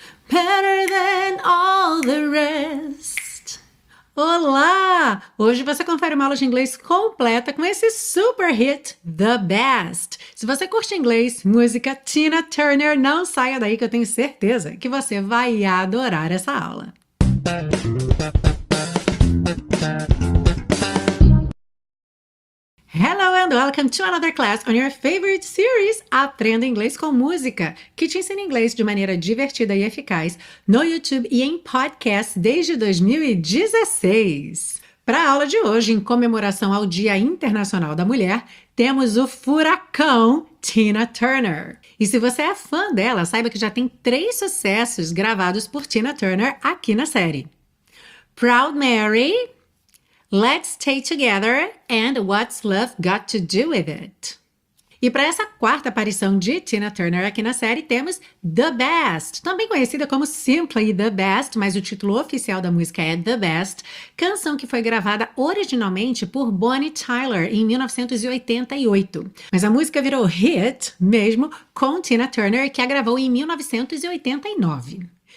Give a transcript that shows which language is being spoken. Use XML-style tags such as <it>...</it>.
<en>Better than all the rest.</en> <pt>Olá! Hoje você confere uma aula de inglês completa com esse super hit, The Best. Se você curte inglês, música Tina Turner, não saia daí que eu tenho certeza que você vai adorar essa aula. Hello and welcome to another class on your favorite series, Aprenda Inglês com Música, que te ensina inglês de maneira divertida e eficaz no YouTube e em podcast desde 2016. Para a aula de hoje, em comemoração ao Dia Internacional da Mulher, temos o furacão Tina Turner. E se você é fã dela, saiba que já tem 3 sucessos gravados por Tina Turner aqui na série.</pt> <en>Proud Mary, Let's Stay Together, and What's Love Got to Do with It?</en> <pt>E para essa quarta aparição de Tina Turner aqui na série, temos The Best, também conhecida como Simply The Best, mas o título oficial da música é The Best, canção que foi gravada originalmente por Bonnie Tyler em 1988. Mas a música virou hit mesmo com Tina Turner, que a gravou em 1989.</pt>